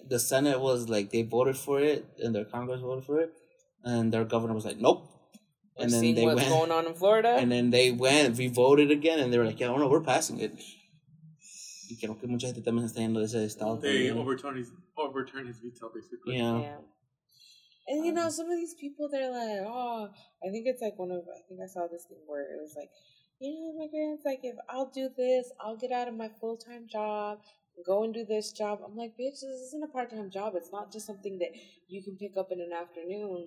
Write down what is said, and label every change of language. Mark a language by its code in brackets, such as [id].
[en] The Senate was like, they voted for it, and their Congress voted for it, and their governor was like, nope. What's going on in Florida? And then they went, revoted again, and they were like, yeah, oh, no, we're passing it. [es] Y creo que mucha gente también está yendo de ese estado. [en] They overturned his veto, basically. Yeah. And, you know, some of these people, they're like, oh, I think I saw this thing where it was like, you know, my grandma's like, if I'll do this, I'll get out of my full-time job, go and do this job. I'm like, bitch, this isn't a part-time job. It's not just something that you can pick up in an afternoon.